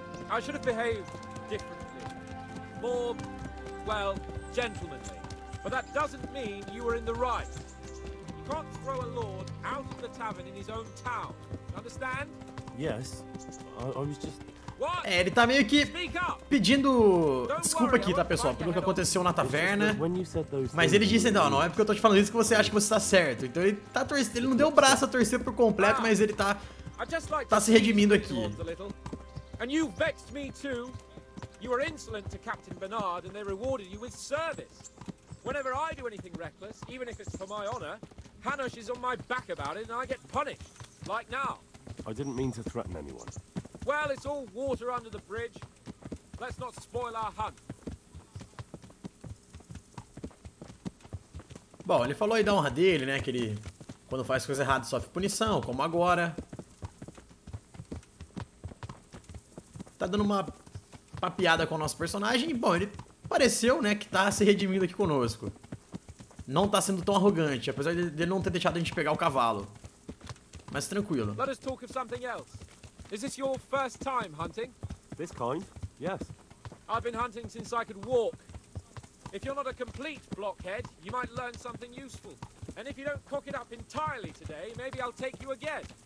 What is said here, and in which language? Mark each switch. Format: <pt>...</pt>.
<en>I should have behaved differently. More, well, gentlemanly. But that doesn't mean you were in the right. You can't throw a lord out of the tavern in his own town. Understand? Yes. I was just.</en> <pt>É, ele tá meio que pedindo desculpa aqui, tá, pessoal, pelo que aconteceu na taverna. Mas ele disse, não é porque eu tô te falando isso que você acha que você tá certo. Então ele tá torcendo, ele não deu o braço a torcer por completo, mas ele tá se redimindo aqui.</pt> <en>And you vexed me too. You were insolent to Captain Bernard and they rewarded you with service. Whenever I do anything reckless, even if it's for my honor, Hanush is on my back about it and I get punished, like now. I didn't mean to threaten anyone. Well, it's all water under the bridge. Let's not spoil our hunt.</en> <pt>Bom, ele falou aí da honra dele, né? Que ele, quando faz coisa errada, sofre punição, como agora. Tá dando uma papeada com o nosso personagem. Bom, ele pareceu, né, que tá se redimindo aqui conosco. Não tá sendo tão arrogante, apesar dele não ter deixado a gente pegar o cavalo. Mas tranquilo.</pt> <en>Let us talk of something else. Is this your first time hunting? This kind? Yes. I've been hunting since I could walk. If you're not a complete blockhead, you might learn something useful. And if you don't cock it up entirely today, maybe I'll take you again.</en>